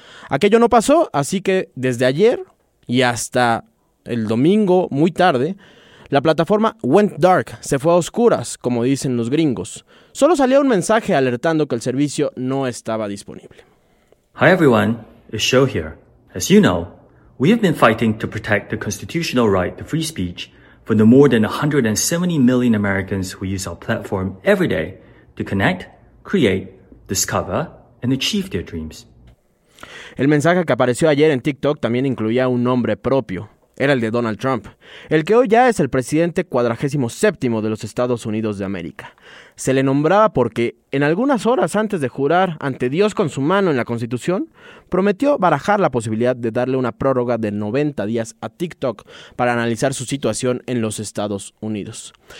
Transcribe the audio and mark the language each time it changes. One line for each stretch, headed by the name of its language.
Spanish: Aquello no pasó, así que desde ayer y hasta el domingo muy tarde, la plataforma
English: went dark,
Spanish: se fue a oscuras, como dicen los gringos. Solo salió un mensaje alertando que el servicio no estaba disponible.
English: Hi everyone, Ashok here. As you know, we have been fighting to protect the constitutional right to free speech for the more than 170 million Americans who use our platform every day to connect, create, discover, and achieve their dreams.
Spanish: El mensaje que apareció ayer en TikTok también incluía un nombre propio. Era el de Donald Trump, el que hoy ya es el presidente 47º de los Estados Unidos de América. Se le nombraba porque, en algunas horas antes de jurar ante Dios con su mano en la Constitución, prometió barajar la posibilidad de darle una prórroga de 90 días a TikTok para analizar su situación en los Estados Unidos.